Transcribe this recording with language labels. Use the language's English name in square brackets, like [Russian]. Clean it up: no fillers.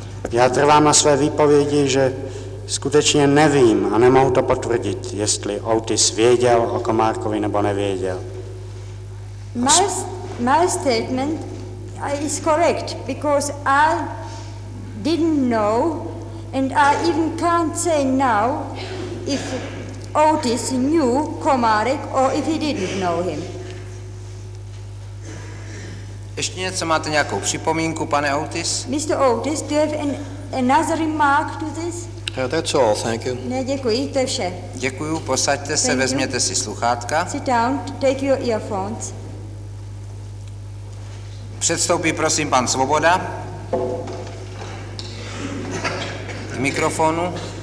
[Czech] Já trvám na své výpovědi, že skutečně nevím a nemohu to potvrdit, jestli Otis věděl o Komárkovi nebo nevěděl. [English] My statement is correct because I didn't know and I even can't say now if Otis knew Komárek or if he didn't know him. [Czech] Ještě něco, máte nějakou připomínku, pane Otis? [English] Mr. Otis, do you have another remark to this? That's all, thank you. [Czech] Ne, děkuji, to je vše. Děkuju, posaďte se, vezměte si sluchátka. [English] Sit down, take your earphones. [Czech] Předstoupí prosím pan Svoboda. K mikrofonu.